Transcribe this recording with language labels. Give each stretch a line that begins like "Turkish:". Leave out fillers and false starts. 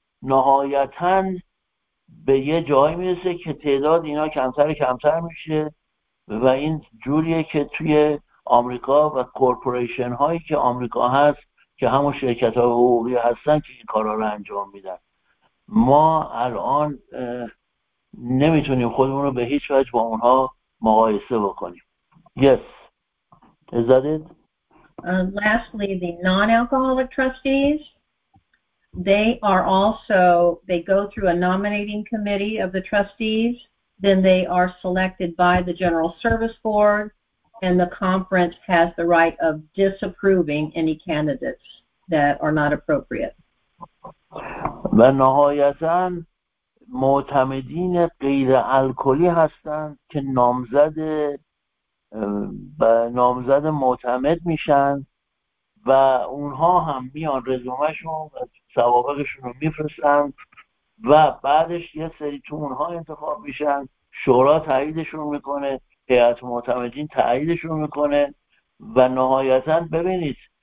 Persian: نهایتاً به یه جایی میرسه که تعداد اینا کمتر کمتر میشه و این جوریه که توی آمریکا و کورپوریشن هایی که آمریکا هست که همون شرکت های حقوقی هستن که این کارها رو انجام میدن. ما الان نمیتونیم خودمون رو به هیچ وجه با اونها مقایسه بکنیم.
English: Yes. Is that it? Lastly, the non-alcoholic trustees, they are also, they go through a nominating committee of the trustees, then they are selected by the General Service Board, and the conference has the right of disapproving any candidates that are not appropriate.
Persian: و نهایتاً معتمدین غیر الکلی هستند که نامزد معتمد میشن و اونها هم میان رزومه شون و سوابقشون رو میفرستن و بعدش یه سری تو اونها انتخاب میشن، شورا تاییدشون میکنه، هیئت معتمدین تاییدشون میکنه و نهایتاً ببینید